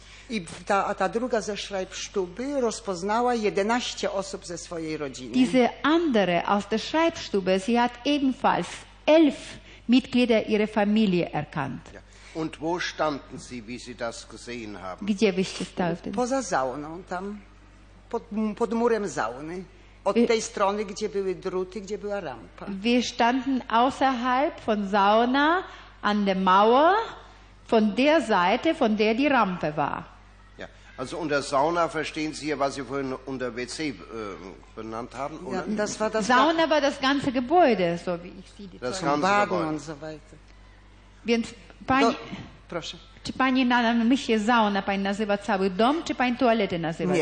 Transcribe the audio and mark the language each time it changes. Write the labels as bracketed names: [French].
[Polish] I ta druga ze Schreibstube rozpoznała 11 osób ze swojej rodziny. [German] Diese andere aus der Schreibstube, sie hat ebenfalls 11 Mitglieder ihrer Familie erkannt. Ja. Und wo standen sie, wie sie das gesehen haben? [Polish] Gdzie byście stali? Poza sauną, tam pod murem sauny. Od tej strony, gdzie były druty, gdzie była rampa. [German] Wir standen außerhalb von Sauna an der Mauer. Von der Seite, von der die Rampe war. Ja, also unter Sauna verstehen Sie ja, was Sie vorhin unter WC benannt haben, oder? Ja, das war das Sauna war das ganze Gebäude, so wie ich sie das ganze Baden Gebäude. Und so weiter. [Polish] Więc pani, no, proszę. Czy pani na myśli sauna pani nazywa cały dom, czy pani toalety nazywa?